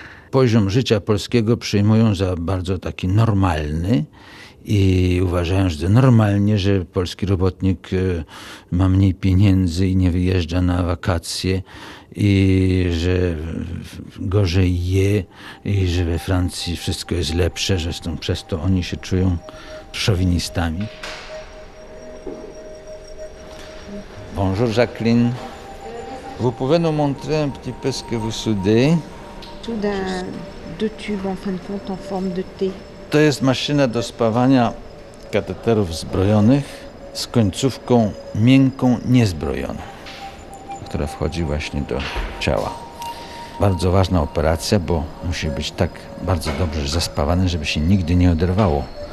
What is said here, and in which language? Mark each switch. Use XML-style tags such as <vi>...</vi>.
<pl>Poziom życia polskiego przyjmują za bardzo taki normalny i uważają, że normalnie, że polski robotnik ma mniej pieniędzy i nie wyjeżdża na wakacje i że gorzej je i że we Francji wszystko jest lepsze, że przez to oni się czują szowinistami.</pl> <fr>Bonjour Jacqueline. Vous pouvez nous montrer un petit peu ce que vous soudez? Deux tubes en fin de compte en forme de T.</fr> <pl>To jest maszyna do spawania kateterów zbrojonych z końcówką miękką niezbrojoną, która wchodzi właśnie do ciała. Bardzo ważna operacja, bo musi być tak bardzo dobrze zaspawany, żeby się nigdy nie oderwało.</pl>